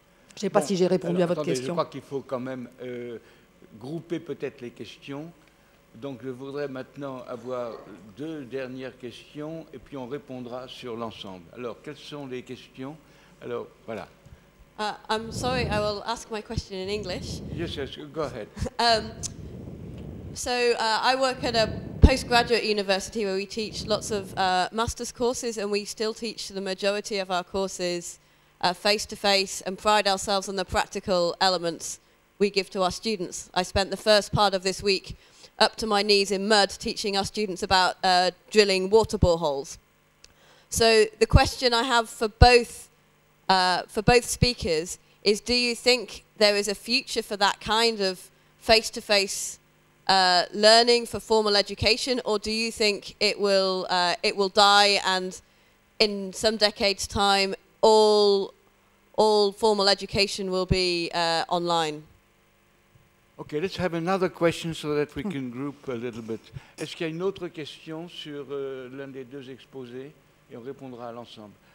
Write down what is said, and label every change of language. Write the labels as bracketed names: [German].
[French] Je ne sais pas si j'ai répondu à votre question. Je crois qu'il faut quand même grouper peut-être les questions. Donc je voudrais maintenant avoir deux dernières questions et puis on répondra sur l'ensemble. Alors, quelles sont les questions ? Alors, voilà. [English] I'm sorry, I will ask my question in English. Yes, go ahead. So I work at a postgraduate university where we teach lots of master's courses, and we still teach the majority of our courses face-to-face and pride ourselves on the practical elements we give to our students. I spent the first part of this week up to my knees in mud teaching our students about drilling water boreholes. So the question I have for both speakers is, do you think there is a future for that kind of face-to-face learning for formal education, or do you think it will die, and in some decades' time all formal education will be online? Okay, let's have another question so that we can group a little bit. [French] Est-ce qu'il y a une autre question sur l'un des deux exposés, et on répondra à l'ensemble.